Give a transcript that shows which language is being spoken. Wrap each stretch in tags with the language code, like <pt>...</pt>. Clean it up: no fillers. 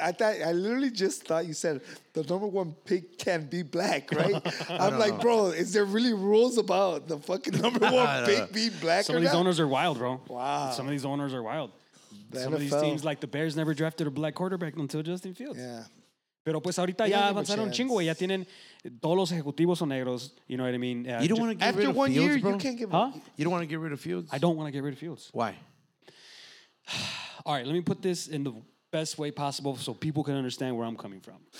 <en>I literally just thought you said the number one pick can be black, right? I'm like, bro, is there really rules about the fucking number one pick be black or not? Some of these owners are wild, bro. Wow. Some of these owners are wild. Some of these teams, like the Bears, never drafted a black quarterback until Justin Fields. Yeah.</en> <es>Pero pues ahorita ya avanzaron un chingo, ya tienen todos los ejecutivos son negros.</es> <en>You know what I mean? You don't want to get rid of Fields, year, bro? You can't give up. You don't want to get rid of Fields? I don't want to get rid of Fields. Why? All right, let me put this in the best way possible so people can understand where I'm coming from.</en>